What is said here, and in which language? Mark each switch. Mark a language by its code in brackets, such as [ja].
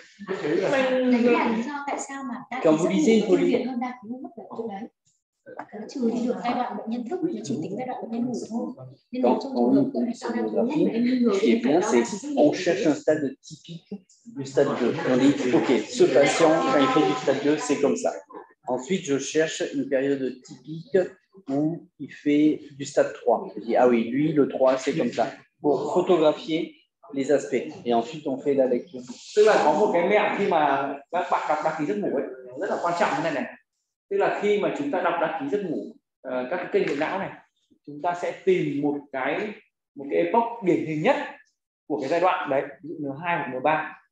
[vi] nhân đấy là lý do tại sao mà đa cứu hấp thể lưu ý hơn đa cứu hấp là chỗ đấy nó trừ đi được giai đoạn bệnh nhân thức, nó chỉ tính giai đoạn bệnh nhân ngủ thôi. Nên trong trường hợp của bệnh nhân đang thức nhất mà em nghi ngờ thì phải đó là cái gì? Chúng ta cần phải tìm [fr] du stade 2. On dit, ok, ce patient, quand il fait du stade 2, c'est comme ça. Ensuite, je cherche une période typique où il fait du stade 3. Je dis, ah oui, lui, le 3, c'est comme ça. Pour photographier les aspects. Et ensuite, on fait la lecture. [vi] Tức là có một cái mẹo khi mà các bạn đọc đăng ký giấc ngủ ấy, rất là quan trọng cái này này. Tức là khi mà chúng ta đọc đăng ký giấc ngủ, các cái kênh điện não này, chúng ta sẽ tìm một cái epoch điển hình nhất của cái giai đoạn đấy, ví dụ N2 hoặc N3.